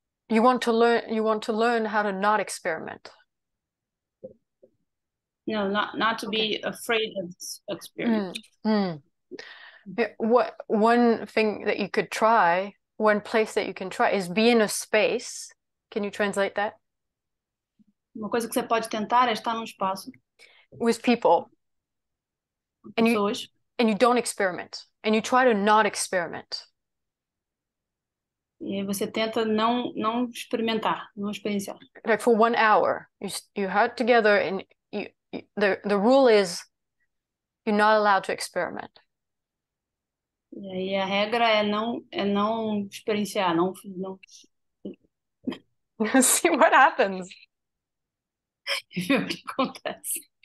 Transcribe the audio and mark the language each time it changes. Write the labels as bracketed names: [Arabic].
[English] You want to learn how to not experiment. No, not to be afraid of this experience. What one thing that you could try, one place that you can try is be in a space. Can you translate that? [Portuguese] Uma coisa que você pode tentar é estar num espaço [English] With people. [Portuguese] com pessoas. [English] And you don't experiment. And you try to not experiment. [Portuguese] E aí você tenta não experimentar, não experienciar. [English] Like for 1 hour, you huddle together and the rule is you're not allowed to experiment. [Portuguese] E aí a regra é não experienciar, não. [English] See what happens. [Portuguese] E ver o que acontece.